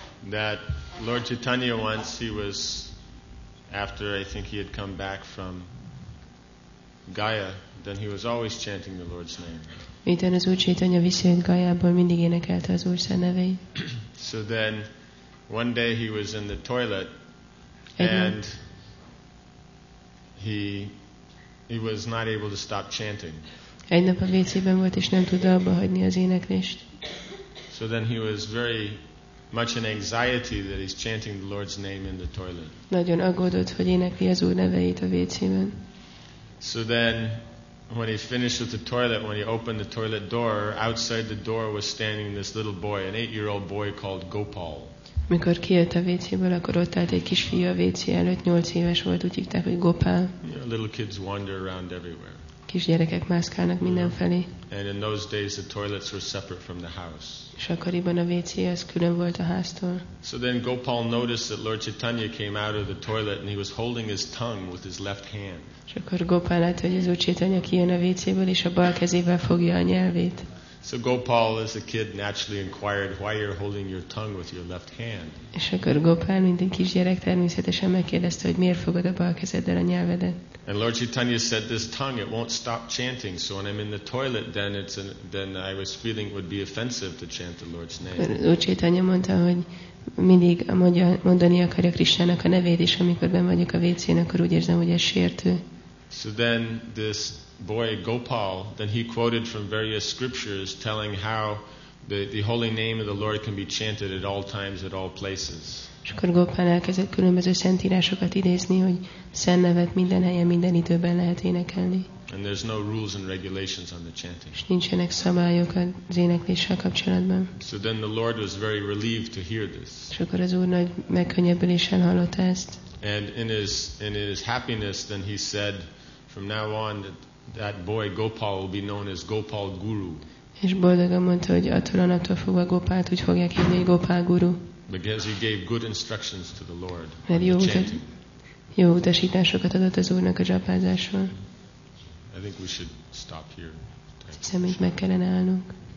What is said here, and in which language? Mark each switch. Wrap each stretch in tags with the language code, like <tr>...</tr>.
<en>That Lord Chaitanya once, he was, after I think he had come back from Gaya, then he was always chanting the Lord's name.</en> <hu>Miután az Úr Chaitanya visszajött Gaiából, mindig énekelte az Úr szent nevét.</hu> <en>So then, one day he was in the toilet, and he was not able to stop chanting.</en> <hu>Egy nap a vécében volt, és nem tudta abba hagyni az éneklést.</hu> <en>So then he was very much in anxiety that he's chanting the Lord's name in the toilet.</en> <hu>Nagyon aggódott, hogy énekli az Úr neveit a vécében.</hu> <en>So then when he finished with the toilet, when he opened the toilet door, outside the door was standing this little boy, an 8-year-old boy called Gopal.</en> <hu>Mikor kijött a vécéből, akkor ott állt egy kisfiú a vécé előtt, 8 éves volt, úgy hívták, hogy Gopal.</hu> <en>Yeah, little kids wander around everywhere.</en> <hu>Kis gyerekek mászkálnak mindenfelé.</hu> <en>And in those days the toilets were separate from the house.</en> <hu>És akkoriban a WC az külön volt a háztól.</hu> <en>So then Gopal noticed that Lord Chaitanya came out of the toilet and he was holding his tongue with his left hand.</en> <hu>És akkor Gopal látta, hogy az Úr Chaitanya kijön a WC-ből és a bal kezével fogja a nyelvét.</hu> <en>So Gopal as a kid naturally inquired why you're holding your tongue with your left hand.</en> <hu>És akkor Gopal, mint egy kis gyerek, természetesen megkérdezte, hogy miért fogod a bal kezeddel a nyelvedet.</hu> <en>And Lord Chaitanya said, this tongue, it won't stop chanting. So when I'm in the toilet, then I was feeling it would be offensive to chant the Lord's name.</en> <hu>Lord Chaitanya mondta, hogy mindig mondani akarja Krisztának a nevét, és amikor benn vagyok a WC-n, akkor úgy érzem, hogy ez sértő.</hu> <en>So then this boy, Gopal, then he quoted from various scriptures telling how the holy name of the Lord can be chanted at all times, at all places.</en> <hu>És akkor Gopal elkezdett különböző szentírásokat idézni, hogy szent nevet minden helyen, minden időben lehet énekelni.</hu> <en>And there's no rules and regulations on the chanting.</en> <hu>És nincsenek szabályok az énekléssel kapcsolatban.</hu> <en>So then the Lord was very relieved to hear this.</en> <hu>És akkor az Úr nagy megkönnyebbüléssel hallotta ezt.</hu> <en>And in his happiness, then he said, from now on, that boy Gopal will be known as Gopal Guru.</en> <hu>És boldogan mondta, hogy attól a naptól fogva Gopalt úgy fogják hívni, hogy Gopal Guru.</hu> <en>Because he gave good instructions to the Lord.</en> <hu>Jó utasításokat adott az Úrnak a dzsapázásról.</hu> <en>I think we should stop here.</en> <hu>Hiszem, hogy meg kellene állnunk.</hu>